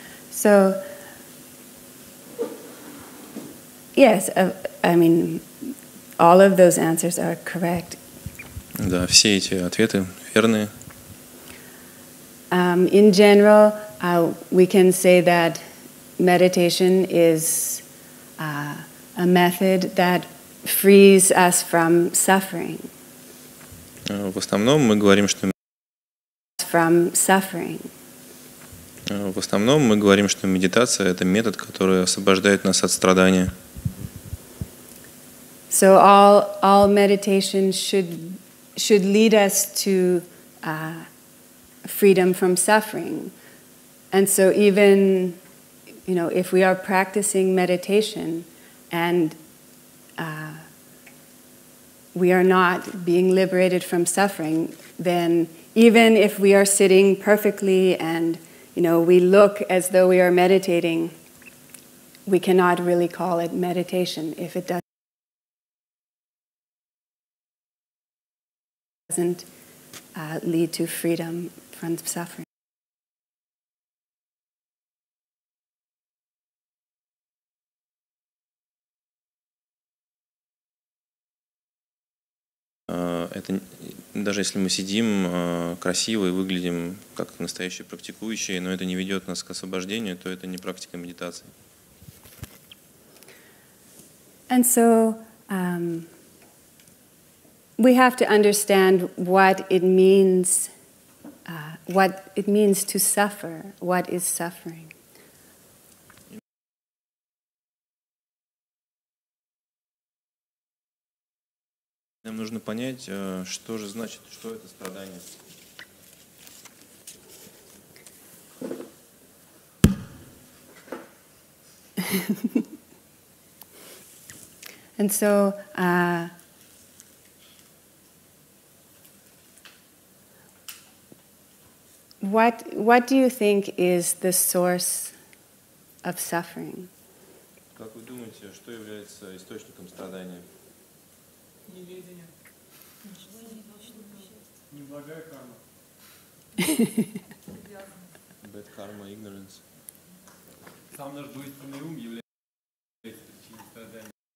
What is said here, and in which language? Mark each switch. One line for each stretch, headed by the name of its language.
English: So, yes, I mean, all of those answers are correct.
Russian: Да, все эти ответы верные.
English: In general, we can say that meditation is a method that frees us from suffering.
Russian: В основном мы говорим, что
English: from suffering.
Russian: В основном мы говорим, что медитация — это метод, который освобождает нас от страдания.
English: So all meditation should lead us to freedom from suffering. And so even, you know, if we are practicing meditation and we are not being liberated from suffering, then even if we are sitting perfectly and, you know, we look as though we are meditating, we cannot really call it meditation if it doesn't lead to freedom from suffering.
Russian: Это даже если мы сидим красиво и выглядим как настоящие практикующие, но это не ведет нас к освобождению, то это не практика медитации.
English: And so we have to understand what it means to suffer, what is suffering.
Russian: Нам нужно понять, что же значит, что это страдание.
English: And so, what do you think is the source of suffering?
Russian: Как вы думаете, что является источником страдания? Неблагая карма.
English: Bad karma, ignorance.
Russian: Сам наш двойственный ум является причиной страдания.